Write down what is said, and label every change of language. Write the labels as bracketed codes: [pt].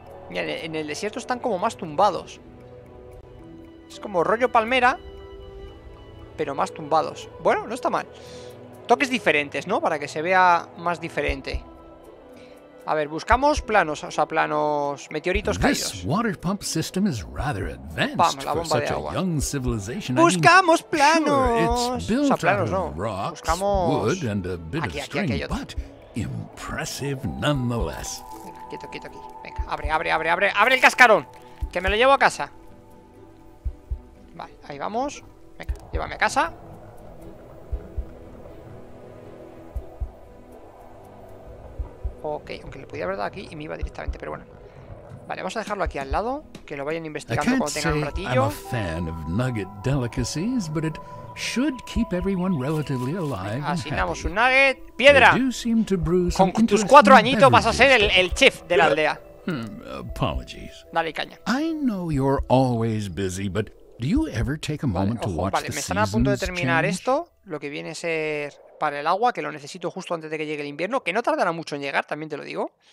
[es] Mira, en el desierto están como más tumbados. Es como rollo palmera, pero más tumbados. Bueno, no está mal. Toques diferentes, ¿no? Para que se vea más diferente. A ver, buscamos planos, o sea, planos, meteoritos caídos. [en] This water pump system is rather advanced. [es] Vamos, la bomba de agua. [en] Young civilization. [es] Buscamos planos. [en] Sure, [es] o sea, planos no. [en] Rocks, [es] buscamos [en] wood and a bit [es] aquí, [en] of string, [es] aquí, aquí, aquí, aquí. [en] But impressive nonetheless. [es] Venga, quieto, quieto aquí. Venga, abre el cascarón, que me lo llevo a casa. Vale, ahí vamos. Venga, llévame a casa. Ok, aunque le podía haber dado aquí y me iba directamente, pero bueno. Vale, vamos a dejarlo aquí al lado, que lo vayan investigando cuando tengan un ratillo. [en] I'm a fan of nugget delicacies, but it should keep everyone relatively alive. [es] Asignamos un nugget. ¡Piedra! Con tus cuatro añitos vas a ser el chef de la aldea. [en] Apologies. [es] Dale caña. [en] I know you're always busy, but do you ever take a moment to watch the seasons? [es] Vale, me están a punto de terminar esto, lo que viene a ser... Para el agua, que lo necesito justo antes de que llegue el invierno. Que no tardará mucho en llegar, también te lo digo.